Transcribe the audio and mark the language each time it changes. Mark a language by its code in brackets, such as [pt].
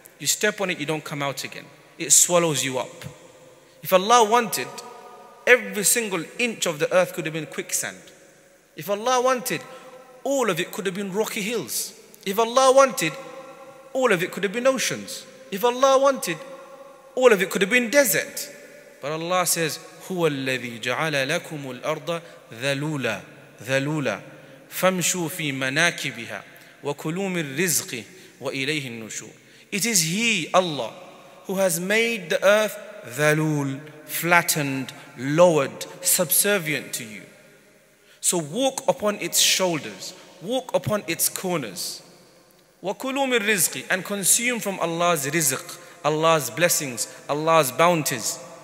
[en] You step on it, you don't come out again. It swallows you up. If Allah wanted, every single inch of the earth could have been quicksand. If Allah wanted, all of it could have been rocky hills. If Allah wanted, all of it could have been oceans. If Allah wanted, all of it could have been desert. But Allah says, [ar] هو الذي جعل لكم الأرض ذلولا ذلولا فامشوا في مناكبها وكلوا من رزقه وإليه النشور. [en] It is He, Allah, who has made the earth ذلول, flattened, lowered, subservient to you. So walk upon its shoulders, walk upon its corners. [ar] وَكُلُوا مِن رِزْقِ, [en] and consume from Allah's rizq, Allah's blessings, Allah's bounties.